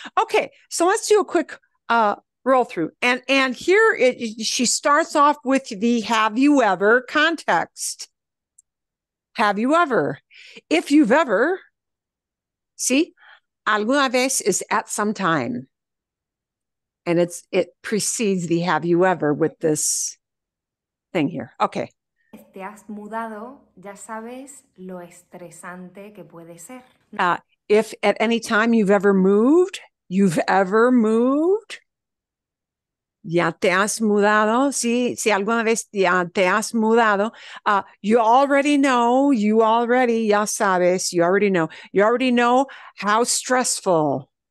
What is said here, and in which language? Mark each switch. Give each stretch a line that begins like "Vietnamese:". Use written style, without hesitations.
English: Okay, so let's do a quick roll through. And here she starts off with the have you ever context. Have you ever? If you've ever, see, alguna vez is at some time. And it precedes the have you ever with this thing here. Okay.
Spanish: Te has mudado, ya sabes lo estresante que puede ser.
English: If at any time you've ever moved, ya te has mudado, si alguna vez ya te has mudado, you already know how stressful.